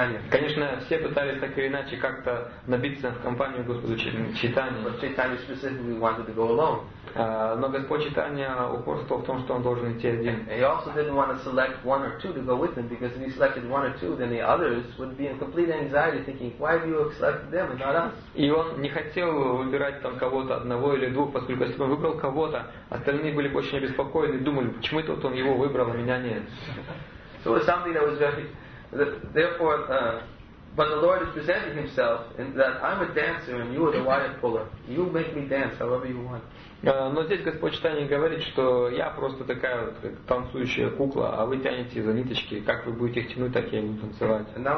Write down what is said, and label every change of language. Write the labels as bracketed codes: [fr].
[ru] Конечно, все пытались так или иначе как-то набиться в компанию Господа Чайтанья. Но Господь Чайтанья упорствовал в том, что он должен идти один. [en] He also didn't want to select one or two to go with him, because if he selected one or two, then the others would be in complete anxiety, thinking, why have you selected them and not us? [ru] И он не хотел выбирать там кого-то одного или двух, поскольку если бы он выбрал кого-то, остальные были бы очень обеспокоены, думали, почему это вот он его выбрал, а меня нет. [en] So it was something that was very, therefore, but the Lord is presenting himself in that I'm a dancer and you are the wire puller. You make me dance however you want. [ru] Но здесь Господь Чайтанья говорит, что я просто такая вот как танцующая кукла, а вы тянете за ниточки, как вы будете их тянуть, так я буду танцевать.